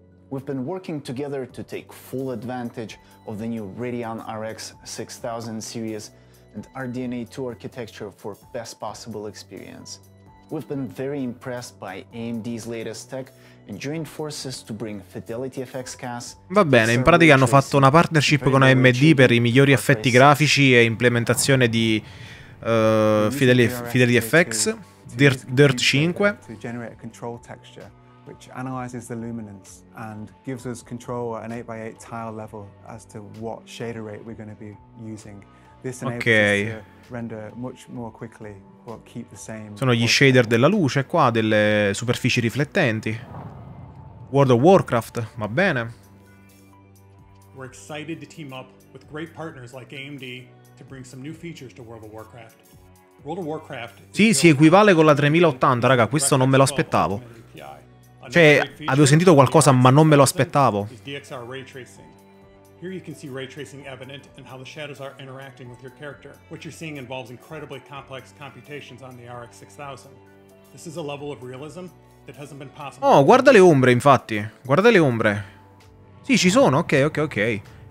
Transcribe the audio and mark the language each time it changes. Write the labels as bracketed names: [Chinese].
[English] We've been working together to take full advantage of the new Radeon RX 6000 series and RDNA 2 architecture for best possible experience. We've been very impressed by AMD's latest tech and joined forces to bring Fidelity FX Cast. [Italian] Va bene, in pratica hanno fatto una partnership con AMD per i migliori effetti grafici e implementazione di Fidelity FX Dirt 5 [English] to generate a control texture which analyzes the luminance and gives us control at an 8x8 tile level as to what shader rate we're going to be using. This enables okay. us to render much more quickly but keep the same. [Italian] Sono gli shader della luce qua, delle superfici riflettenti. World of Warcraft, va bene. [English] We're excited to team up with great partners like AMD to bring some new features to World of Warcraft. World of Warcraft. [Italian] Sì, si equivale con la 3080, raga, questo non me lo aspettavo. Cioè, avevo sentito qualcosa, ma non me lo aspettavo. [English] DXR ray tracing. Here you can see ray tracing evident and how the shadows are interacting with your character. What you're seeing involves incredibly complex computations on the RX 6000. This is a level of realism that hasn't been possible. [Italian] Oh, guarda le ombre, infatti. Guarda le ombre. Sì, ci sono. Ok, ok, ok.